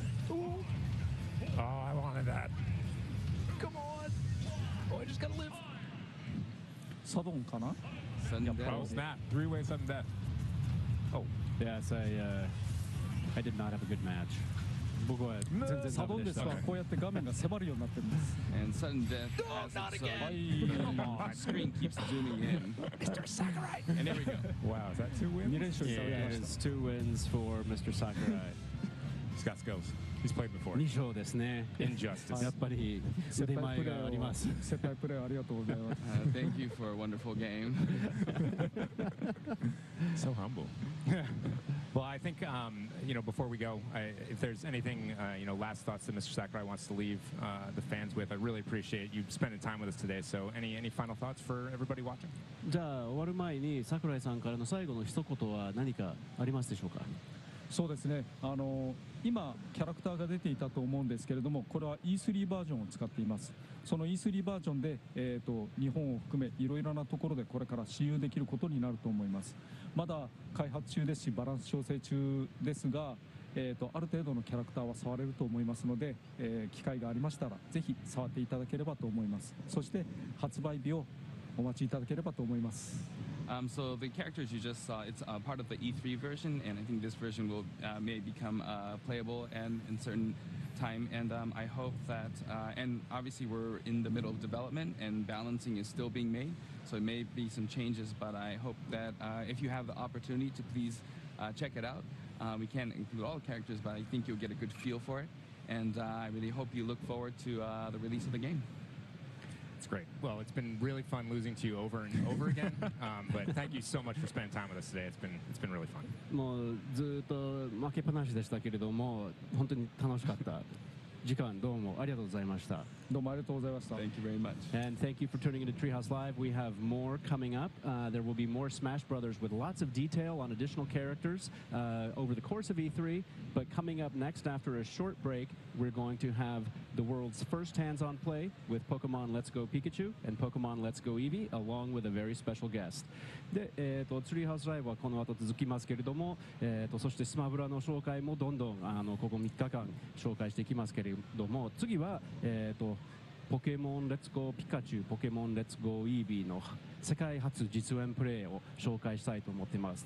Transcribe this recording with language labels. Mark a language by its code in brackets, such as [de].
[en] Oh, I wanted that. Come on. Oh, I just gotta live. [ja] サドンかな？サドン。 [en] Oh snap! Three-way sudden death. Oh. Yes, I did not have a good match. [ja] 僕は全然サドンですが、こうやって画面が迫るようになってます。 [en] And sudden death. No, not again. So, hey, come on. My screen keeps zooming in. Mr. Sakurai. And there we go. Wow, is that two wins? Yeah, it's two wins for Mr. Sakurai. He's got skills. He's played before. [ja] 2勝ですね。 [en] Injustice. [ja] やっぱり腕前があります。接待プレーありがとうございます。 [en] Thank you for a wonderful game. So humble. Well, I think, before we go, if there's anything, last thoughts that Mr. Sakurai wants to leave the fans with, I really appreciate you spending time with us today. So any final thoughts for everybody watching? [ja] じゃあ、終わる前に Sakurai さんからの最後の一言は何かありますでしょうか？そうですね。今、キャラクターが出ていたと思うんですけれども、これは E3 バージョンを使っています。その E3 バージョンで、日本を含めいろいろなところでこれから試遊できることになると思います。まだ開発中ですし、バランス調整中ですが、ある程度のキャラクターは触れると思いますので、機会がありましたらぜひ触っていただければと思います。そして発売日をお待ちいただければと思います。 [en] So the characters you just saw, it's part of the E3 version, and I think this version will may become playable and in certain time. And I hope that, and obviously we're in the middle of development and balancing is still being made, so it may be some changes, but I hope that if you have the opportunity to please check it out. We can't include all the characters, but I think you'll get a good feel for it. And I really hope you look forward to the release of the game. That's great. Well, it's been really fun losing to you over and over again. But thank you so much for spending time with us today. It's been really fun. [ja] もうずっと負けっぱなしでしたけれども本当に楽しかった時間どうもありがとうございました。どうもありがとうございました。 [en] Thank you very much. And thank you for tuning into Treehouse Live. We have more coming up. There will be more Smash Brothers with lots of detail on additional characters over the course of E3. But coming up next, after a short break, we're going to have the world's first hands-on play with Pokemon Let's Go Pikachu and Pokemon Let's Go Eevee, along with a very special guest. [ja] Treehouse Live はこの後続きますけれども、そしてスマブラの紹介もどんどんここ3日間紹介していきますけれども、次はポケモンレッツゴーピカチュウ、ポケモンレッツゴーイービーの世界初実演プレイを紹介したいと思っています。